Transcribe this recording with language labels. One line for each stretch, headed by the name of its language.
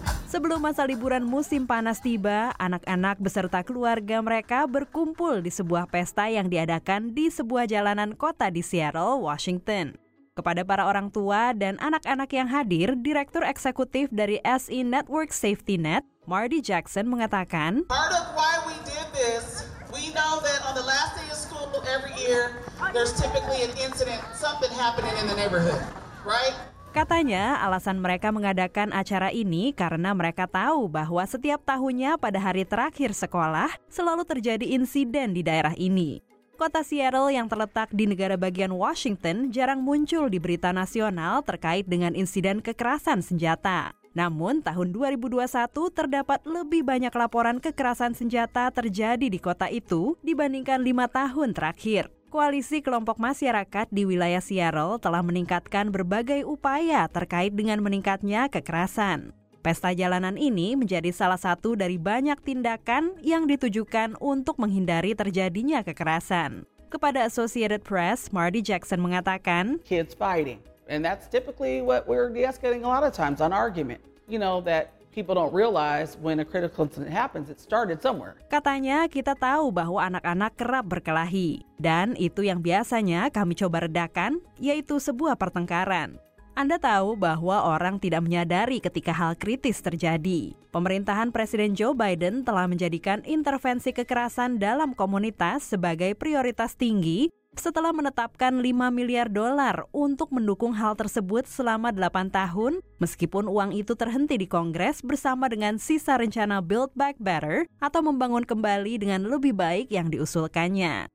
Indonesian: Sebelum masa liburan musim panas tiba, anak-anak beserta keluarga mereka berkumpul di sebuah pesta yang diadakan di sebuah jalanan kota di Seattle, Washington. Kepada para orang tua dan anak-anak yang hadir, Direktur Eksekutif dari SE Network Safety Net, Marty Jackson, mengatakan,
English: part of why we did this, we know that on the last day of school every year, there's typically an incident, something happening in the neighborhood, right?
Indonesian: Katanya alasan mereka mengadakan acara ini karena mereka tahu bahwa setiap tahunnya pada hari terakhir sekolah selalu terjadi insiden di daerah ini. Kota Seattle yang terletak di negara bagian Washington jarang muncul di berita nasional terkait dengan insiden kekerasan senjata. Namun tahun 2021 terdapat lebih banyak laporan kekerasan senjata terjadi di kota itu dibandingkan 5 tahun terakhir. Koalisi kelompok masyarakat di wilayah Seattle telah meningkatkan berbagai upaya terkait dengan meningkatnya kekerasan. Pesta jalanan ini menjadi salah satu dari banyak tindakan yang ditujukan untuk menghindari terjadinya kekerasan. Kepada Associated Press, Marty Jackson mengatakan,
English: "Kids fighting, and that's typically what we're de-escalating a lot of times on argument. You know that people don't realize when a critical incident happens, it started somewhere."
Indonesian: Katanya, kita tahu bahwa anak-anak kerap berkelahi, dan itu yang biasanya kami coba redakan, yaitu sebuah pertengkaran. Anda tahu bahwa orang tidak menyadari ketika hal kritis terjadi. Pemerintahan Presiden Joe Biden telah menjadikan intervensi kekerasan dalam komunitas sebagai prioritas tinggi setelah menetapkan $5 miliar untuk mendukung hal tersebut selama 8 tahun, meskipun uang itu terhenti di Kongres bersama dengan sisa rencana Build Back Better atau membangun kembali dengan lebih baik yang diusulkannya.